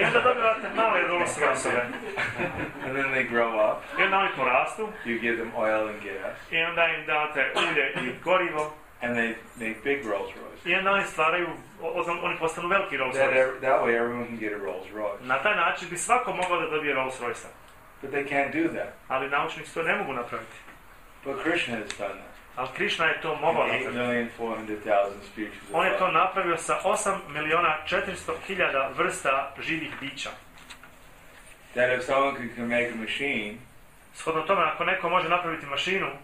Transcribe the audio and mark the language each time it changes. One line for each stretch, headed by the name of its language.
Bosnian: I onda dobivate male Rolls Royce-ove.
English: And then they grow up.
Bosnian: I onda oni porastu.
English: You give them oil and gas.
Bosnian: I onda im date ulje i gorivo.
English: And they make big Rolls Royce.
Bosnian: I onda oni stvaraju, oni postanu veliki Rolls Royce.
English: That way everyone can get a Rolls Royce.
Bosnian: Na taj način bi svako mogao da dobije Rolls Royce-a.
English: But they can't do that.
Bosnian: Ali naučnici to ne mogu napraviti.
English: But Krishna has done that.
Bosnian: Ali Krishna je to mogao napraviti.
English: 8,400,000 species.
Bosnian: On je to napravio sa 8,400,000 vrsta živih bića.
English: That if someone can make a machine.
Bosnian: Shodno tome, ako neko može napraviti mašinu,